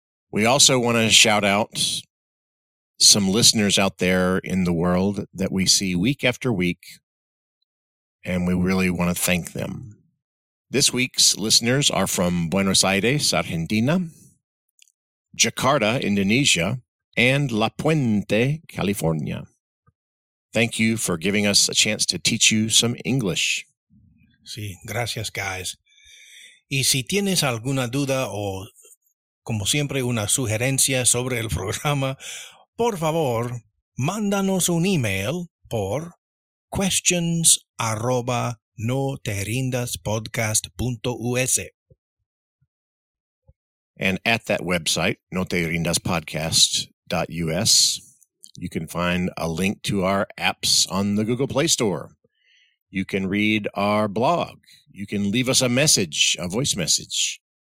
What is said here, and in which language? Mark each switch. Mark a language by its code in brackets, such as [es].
[en] We also want to shout out some listeners out there in the world that we see week after week, and we really want to thank them. This week's listeners are from Buenos Aires, Argentina, Jakarta, Indonesia, and La Puente, California. Thank you for giving us a chance to teach you some English. [es] Sí, gracias, guys. Y si tienes alguna duda o, como siempre, una sugerencia sobre el programa, por favor, mándanos un email por questions@noterindaspodcast.us. [en] And at that website, noterindaspodcast.us, you can find a link to our apps on the Google Play Store. You can read our blog. You can leave us a message, a voice message.